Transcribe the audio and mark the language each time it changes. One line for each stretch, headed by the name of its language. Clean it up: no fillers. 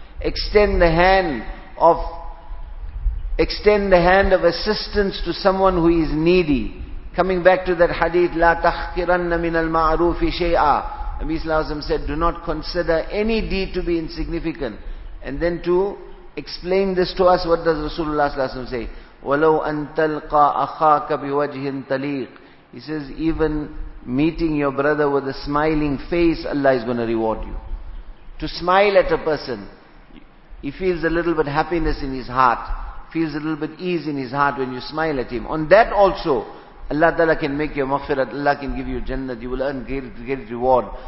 English: Extend the hand of assistance to someone who is needy. Coming back to that hadith,
Arabic: لا تخكرن من المعروف شيئا.
English: Nabi Sallallahu Alaihi Wasallam said, do not consider any deed to be insignificant. And then to explain this to us, what does Rasulullah Sallallahu Alaihi Wasallam say?
Arabic: وَلَوْ أَن تَلْقَى أَخَاكَ بِوَجْهٍ تَلِيقٍ.
English: He says, even meeting your brother with a smiling face, Allah is going to reward you. To smile at a person, he feels a little bit happiness in his heart, feels a little bit ease in his heart when you smile at him. On that also, Allah Ta'ala can make your maghfirat, Allah can give you Jannah, you will earn great reward.